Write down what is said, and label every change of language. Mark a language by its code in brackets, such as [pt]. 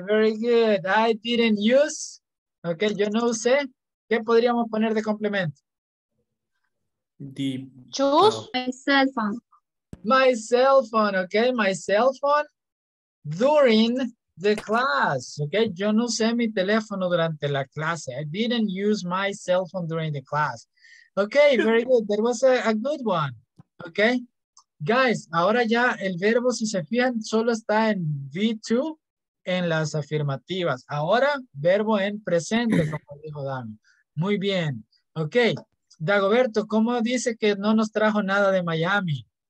[en] Very good. I didn't use. Ok, [es] yo no usé. ¿Qué podríamos poner de complemento? [en] Choose. My cell phone. My cell phone. Ok, my cell phone. During the class, okay? [es] Yo no usé mi teléfono durante la clase. [en] I didn't use my cell phone during the class. Okay, very good. That was a good one. Okay? [es] Guys, ahora ya el verbo, si se fijan, solo está en V2 en las afirmativas. Ahora, verbo en presente, como dijo Dani. Muy bien. Okay. Dagoberto, ¿cómo dice que no nos trajo nada de Miami?